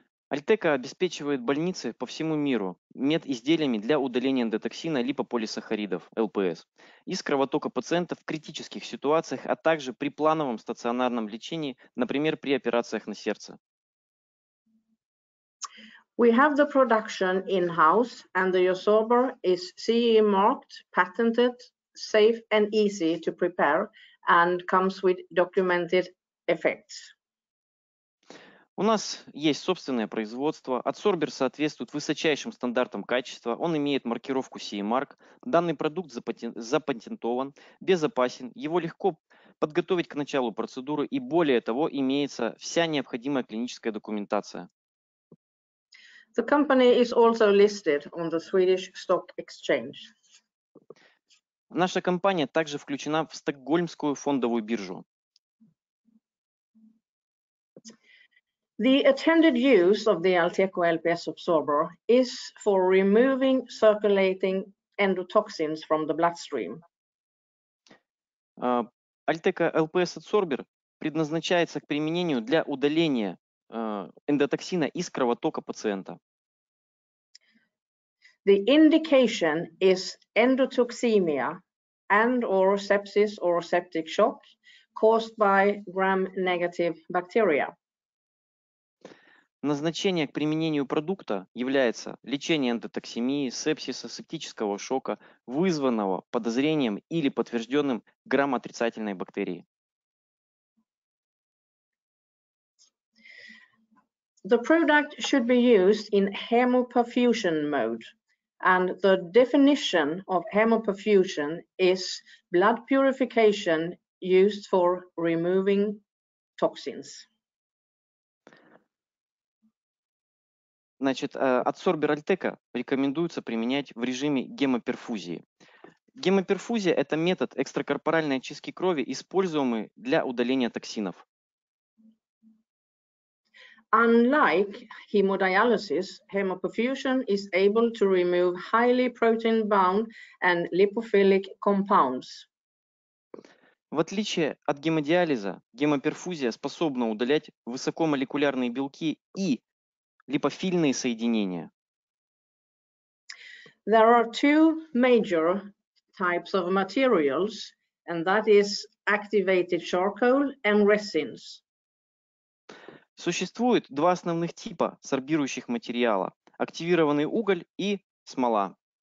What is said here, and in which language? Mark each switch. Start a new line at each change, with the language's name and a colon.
Russian: Alteco обеспечивает больницы по всему миру медизделиями для удаления эндотоксина липополисахаридов, ЛПС, из кровотока пациентов в критических ситуациях, а также при плановом стационарном лечении, например, при операциях на сердце.
English: We have the production in-house, and the Adsorber is CE-marked, patented, safe and easy to prepare, and comes with documented effects.
Russian: У нас есть собственное производство. Адсорбер соответствует высочайшим стандартам качества. Он имеет маркировку CE-mark. Данный продукт запатентован, безопасен. Его легко подготовить к началу процедуры. И более того, имеется вся необходимая клиническая документация.
English: The company is also listed on the Swedish Stock Exchange.
Russian: Наша компания также включена в Стокгольмскую фондовую биржу.
English: The intended use of the Alteco LPS absorber is for removing circulating endotoxins from the bloodstream.
Russian: Alteco LPS absorber предназначается к применению для удаления эндотоксина из кровотока пациента.
English: The indication is endotoxemia and or sepsis or septic shock caused by gram-negative bacteria.
Russian: Назначение к применению продукта является лечение эндотоксемии, сепсиса, септического шока, вызванного подозрением или подтвержденным грамотрицательной бактерии.
English: The product should be used in hemoperfusion mode, and the definition of hemoperfusion is blood purification used for removing toxins.
Russian: Значит, адсорбер Alteco рекомендуется применять в режиме гемоперфузии. Гемоперфузия – это метод экстракорпоральной очистки крови, используемый для удаления токсинов.
English: Unlike hemodialysis, hemoperfusion is able to remove highly protein-bound and lipophilic compounds.
Russian: В отличие от гемодиализа, гемоперфузия способна удалять высокомолекулярные белки и липофильные соединения.
English: There are two major types of materials, and that is activated charcoal and resins.
Russian: Существует два основных типа сорбирующих материала: активированный уголь и смола.